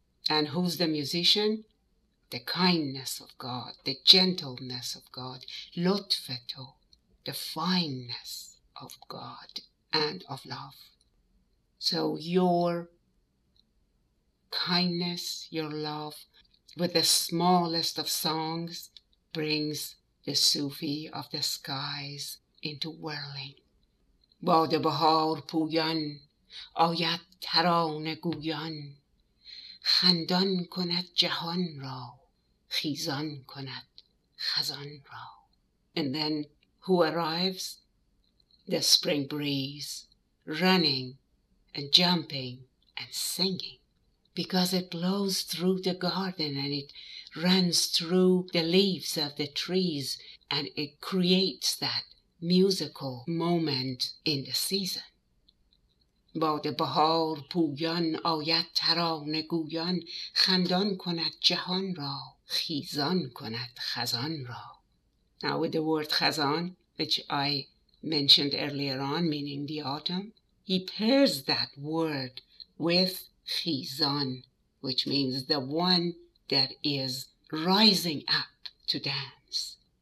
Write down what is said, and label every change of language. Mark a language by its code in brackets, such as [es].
[en] And who's the musician? The kindness of God, the gentleness of God, lutfeto, the fineness of God and of love. So your kindness, your love, with the smallest of songs, brings the Sufi of the skies into whirling. [fa] باد بهار پویان آید ترانه گویان، خندان کند جهان را خیزان کند خزان را. [en] And then who arrives? The spring breeze, running and jumping and singing, because it blows through the garden and it runs through the leaves of the trees and it creates that musical moment in the season. [fa] باد بهار پویان آید ترانه گویان خندان کند جهان را خیزان کند خزان را. [en] Now with the word خزان, which I mentioned earlier on, meaning the autumn, he pairs that word with خیزان, which means the one that is rising up to dance.